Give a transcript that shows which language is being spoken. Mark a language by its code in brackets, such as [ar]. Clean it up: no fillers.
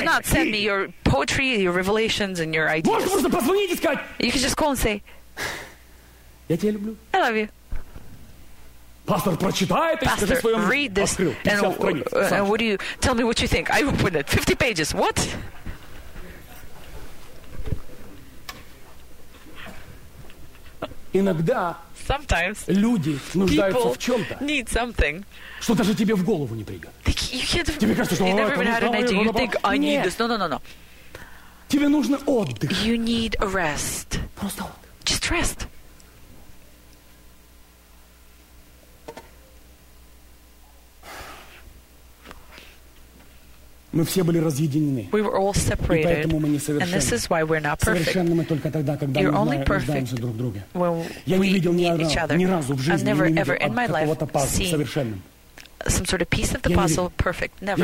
[en] Do not send me your poetry, your revelations, and your ideas. [ru] Можно просто позвонить и сказать. [en] You can just call and say. [ru] Я тебя люблю. [en] I love you. [ru] Пастор прочитает и скажет своем. [en] Pastor, read this. And what do you tell me? What you think? I opened it. 50 pages. What? [ru] Иногда. [en] Sometimes. [ru] Люди нуждаются в чем-то. [en] Need something. [ru] Что даже тебе в голову не придет. Тебе кажется, что [en] never even had an idea. You think I need this. No. [ru] Тебе нужен отдых. [en] You need a rest. [ru] Просто отдых. [en] Just rest. [ru] Мы все были разъединены. [en] We were all separated. [ru] И поэтому мы не совершенны. [en] And this is why we're not perfect. [ru] Совершенны мы только тогда, когда [en] you're [ru] мы нуждаемся друг в друге. [en] When [ru] я [en] we [ru] не видел ни разу в жизни, [en] never, [ru] не видел от какого-то пазла совершенным. [en] Some sort of piece of the puzzle, perfect, never.